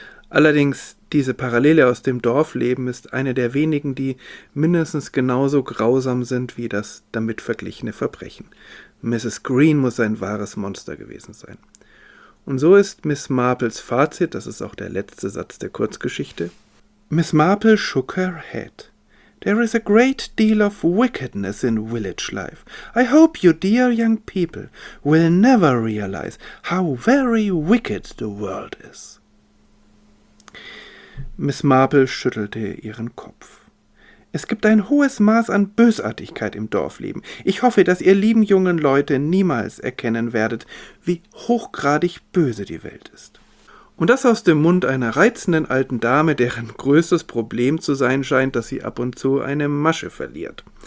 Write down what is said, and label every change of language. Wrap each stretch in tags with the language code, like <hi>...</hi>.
<de>Allerdings, diese Parallele aus dem Dorfleben ist eine der wenigen, die mindestens genauso grausam sind wie das damit verglichene Verbrechen. Mrs. Green muss ein wahres Monster gewesen sein. Und so ist Miss Marples Fazit, das ist auch der letzte Satz der Kurzgeschichte.</de> <en>Miss Marple shook her head. There is a great deal of wickedness in village life. I hope you dear young people will never realize how very wicked the world is.</en> <de>Miss Marple schüttelte ihren Kopf. Es gibt ein hohes Maß an Bösartigkeit im Dorfleben. Ich hoffe, dass ihr lieben jungen Leute niemals erkennen werdet, wie hochgradig böse die Welt ist. Und das aus dem Mund einer reizenden alten Dame, deren größtes Problem zu sein scheint, dass sie ab und zu eine Masche verliert.</de>